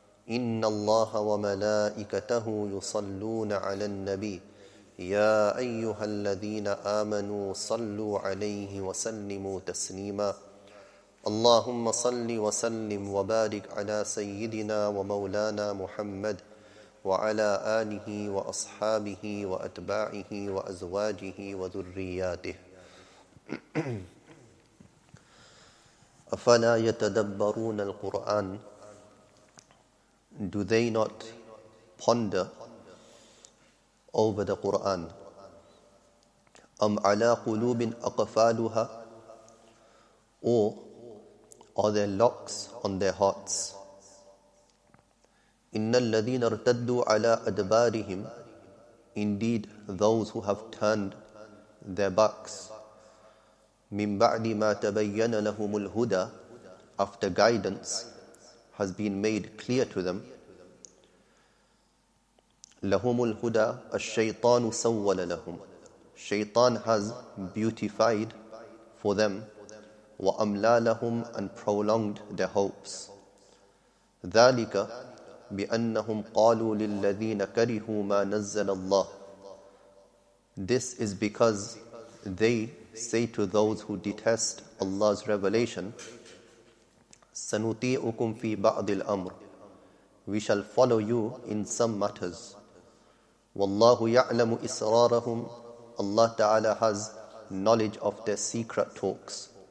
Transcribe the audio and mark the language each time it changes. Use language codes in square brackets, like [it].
[ar] ان الله وملائكته يصلون على النبي، يا أيها الذين آمنوا صلوا عليه وسلموا تسليما. اللهم صل وسلم وبارك على سيدنا ومولانا محمد وعلى آله وأصحابه وأتباعه وأزواجه وذرياته. أفلا يتدبرون القرآن؟ [en] Do they not ponder over the Quran? [ar] Am ala qulubin aqfaluha? [en] Or are there locks on their hearts? [ar] Innal ladhina irtaddu ala adbarihim, [en] indeed those who have turned their backs, [ar] min ba'di ma tabayyana lahumul huda, [en] after guidance has been made clear to them. [ar] لهم الهدى الشيطان سول لهم. [en] Shaitan has beautified for them. [ar] وأملى لهم, [en] and prolonged their hopes. [ar] ذلك بأنهم قالوا للذين كرهوا ما نزل الله. [en] This is because they say to those who detest Allah's revelation, [ar] سنطيعكم في بعض الأمر, [en] we shall follow you in some matters. [ar] وَاللَّهُ يَعْلَمُ إِسْرَارَهُمْ, [en] Allah Ta'ala has knowledge of their secret talks.